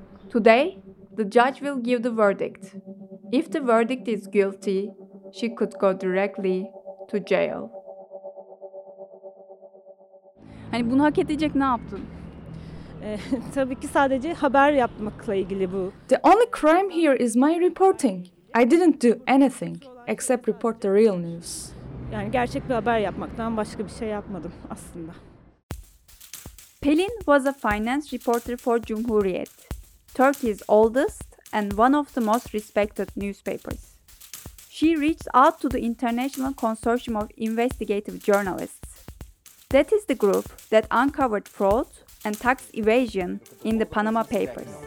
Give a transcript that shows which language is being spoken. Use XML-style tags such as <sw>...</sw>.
<en>Today, the judge will give the verdict. If the verdict is guilty, she could go directly to jail.</en> <tr>Hani bunu hak edecek ne yaptın? Tabii ki sadece haber yapmakla ilgili bu.</tr> <en>The only crime here is my reporting. I didn't do anything except report the real news.</en> <tr>Yani gerçek bir haber yapmaktan başka bir şey yapmadım aslında.</tr> <en>Pelin was a finance reporter for Cumhuriyet, Turkey's oldest and one of the most respected newspapers. She reached out to the International Consortium of Investigative Journalists. That is the group that uncovered fraud and tax evasion in the Panama Papers.</en>